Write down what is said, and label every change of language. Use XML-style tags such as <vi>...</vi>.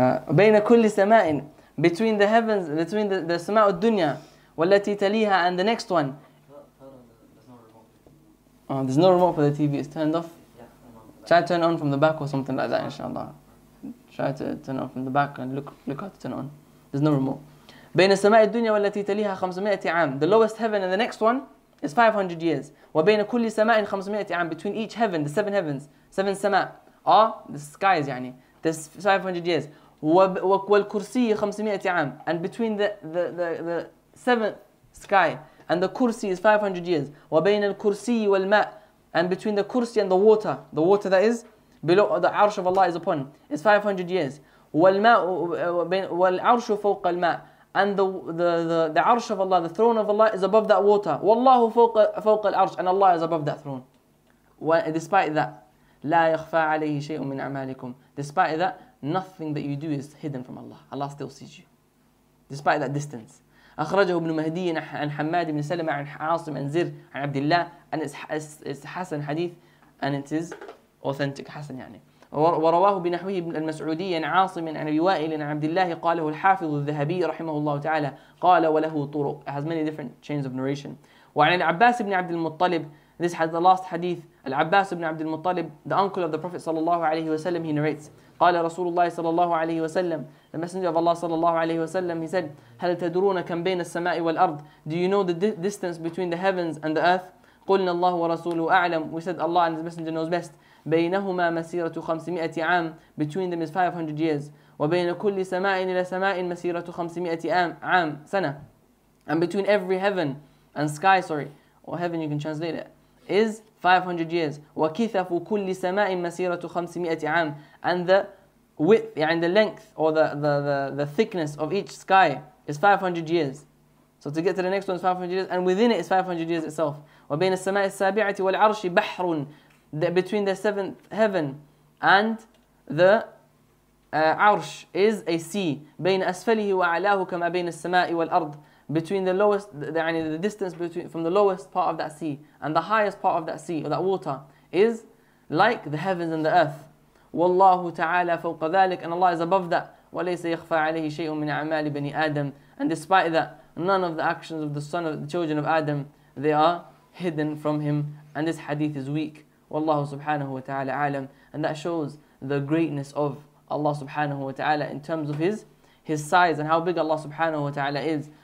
<ar>بين كل سماء,</ar> <en>between the heavens, between the</en> <ar>سماء الدنيا والتي تليها</ar> <en>and the next one. There's no remote for the TV, it's turned off. Try to turn on from the back or something like that, inshallah. Try to turn on from the back and look how to turn on. There's no remote.</en> <ar>بين السماء الدنيا والتي تليها 500 عام.</ar> <en>The lowest heaven and the next one is 500 years.</en> <ar>وبين كل سماء 500 عام.</ar> <en>Between each heaven, the seven heavens, seven سماء, the skies, يعني, there's 500 years.</en> <ar>والكرسي 500 عام.</ar> <en>And between the seventh sky and the kursi is 500 years.</en> <ar>وبين الكرسي والماء.</ar> <en>And between the kursi and the water that is below the arsh of Allah is upon, is 500 years.</en> <ar>والعرش فوق الماء.</ar> <en>And the arsh of Allah, the throne of Allah, is above that water.</en> <ar>والله فوق العرش.</ar> <en>And Allah is above that throne. Despite that,</en> <ar>لا يخفى عليه شيء من أعمالكم.</ar> <en>Despite that, nothing that you do is hidden from Allah. Allah still sees you. Despite that distance.</en> <ar>أخرجه ابن مهدي عن حماد بن سلمة عن عاصم عن زر عن عبد الله and it's حسن حديث</ar> <en>and it is authentic</en> <ar>حسن يعني ورواه بنحوه ابن المسعودي عن عاصم عن أبي وائل عن عبد الله قاله الحافظ الذهبي رحمه الله تعالى قال وله طرق.</ar> <en>It has many different chains of narration. وعن العباس بن عبد المطلب, this has the last hadith. العباس بن عبد المطلب, the uncle of the Prophet صلى الله عليه وسلم, he narrates.</en> <ar>قال رسول الله صلى الله عليه وسلم,</ar> <en>the messenger of Allah</en> <ar>صلى الله عليه وسلم, he said, هل تدرون كم بين السماء والأرض?</ar> <en>Do you know the distance between the heavens and the earth?</en> <ar>قلنا الله ورسوله أعلم.</ar> <en>We said Allah and his messenger knows best.</en> <ar>بينهما مسيرة 500 عام.</ar> <en>Between them is 500 years.</en> <ar>وبين كل سماء إلى سماء مسيرة 500 عام سنة.</ar> <en>And between every heaven and sky, sorry, or heaven you can translate it, is 500 years.</en> <ar>وكثف كل سماء مسيرة 500 عام.</ar> <en>And the width, and the length, or the thickness of each sky is 500 years. So to get to the next one is 500 years, and within it is 500 years itself.</en> <ar>وبين السماء السابعة والعرش بحر.</ar> <en>Between the seventh heaven and the عرش is a sea.</en> <ar>بين أسفله وعلاه كما بين السماء والأرض.</ar> <en>Between the lowest, the distance between from the lowest part of that sea and the highest part of that sea or that water is like the heavens and the earth.</en> <ar>والله تعالى فوق ذلك.</ar> <en>And Allah is above that.</en> <ar>وليس يخفى عليه شيء من أعمال بني آدم.</ar> <en>And despite that, none of the actions of the son of the children of Adam, they are hidden from him. And this hadith is weak.</en> <ar>والله سبحانه وتعالى عالم.</ar> <en>And that shows the greatness of Allah سبحانه وتعالى in terms of his size and how big Allah سبحانه وتعالى is.</en>